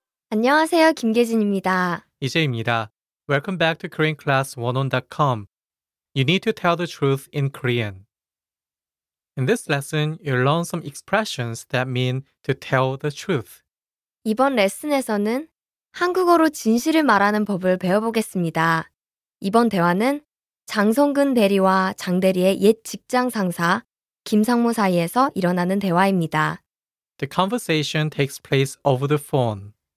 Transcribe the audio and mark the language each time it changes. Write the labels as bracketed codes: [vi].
[ko] 안녕하세요, 김계진입니다. EJ입니다. [en] Welcome back to KoreanClass101.com. You need to tell the truth in Korean. In this lesson, you'll learn some expressions that mean to tell the truth. [ko] 이번 레슨에서는 한국어로 진실을 말하는 법을 배워보겠습니다. 이번 대화는 장성근 대리와 장 대리의 옛 직장 상사 김상무 사이에서 일어나는 대화입니다. [en] The conversation takes place over the phone.